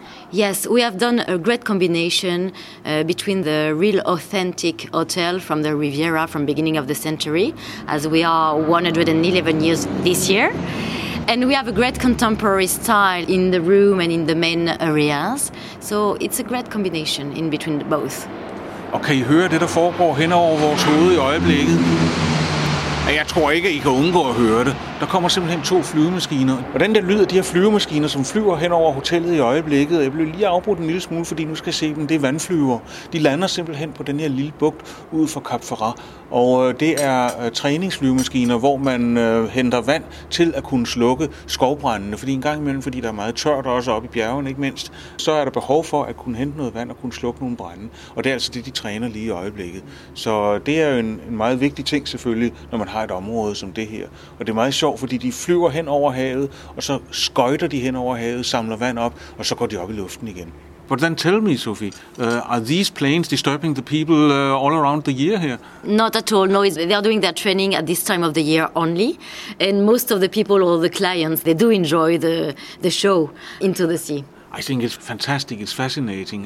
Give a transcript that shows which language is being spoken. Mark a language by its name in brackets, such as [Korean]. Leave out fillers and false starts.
[English] Yes, we have done a great combination between the real authentic hotel from the Riviera from beginning of the century, as we are 111 years this year. And we have a great contemporary style in the room and in the main areas. So it's a great combination in between both. [Danish] Og kan I høre det, der foregår hen over vores hoved i øjeblikket? Jeg tror ikke, at I kan undgå at høre det. Der kommer simpelthen to flyvemaskiner. Hvordan der lyder de her flyvemaskiner, som flyver hen over hotellet i øjeblikket? Jeg blev lige afbrudt en lille smule, fordi nu skal jeg se dem. Det er vandflyver. De lander simpelthen på den her lille bugt ud for Cap Ferrat. Og det er træningsflyvemaskiner, hvor man henter vand til at kunne slukke skovbrændene. Fordi en gang imellem, fordi der er meget tørt også oppe i bjergene, ikke mindst, så er der behov for at kunne hente noget vand og kunne slukke nogle brænde. Og det er altså det, de træner lige i øjeblikket. Så det er jo en meget vigtig ting selvfølgelig, når man har et område som det her. Og det er meget sjovt, fordi de flyver hen over havet, og så skøjter de hen over havet, samler vand op, og så går de op i luften igen. [English] But then tell me, Sophie, are these planes disturbing the people all around the year here? Not at all. No, they are doing their training at this time of the year only. And most of the people, all the clients, they do enjoy the show into the sea. I think it's fantastic. It's fascinating.